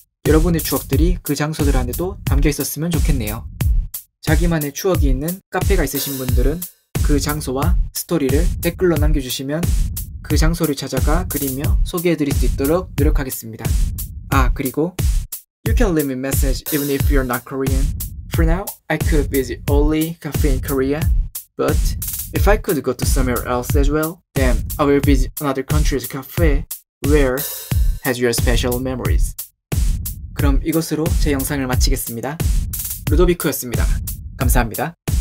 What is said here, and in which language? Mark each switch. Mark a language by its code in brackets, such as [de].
[ko] 여러분의 추억들이 그 장소들 안에도 담겨 있었으면 좋겠네요. 자기만의 추억이 있는 카페가 있으신 분들은 그 장소와 스토리를 댓글로 남겨주시면 그 장소를 찾아가 그리며 소개해드릴 수 있도록 노력하겠습니다. 아, 그리고 [en] You can leave me message even if you're not Korean. For now, I could visit only cafe in Korea. But if I could go to somewhere else as well, then I will visit another country's cafe where has your special memories. [ko] 그럼 이것으로 제 영상을 마치겠습니다. 루도비코였습니다. 감사합니다.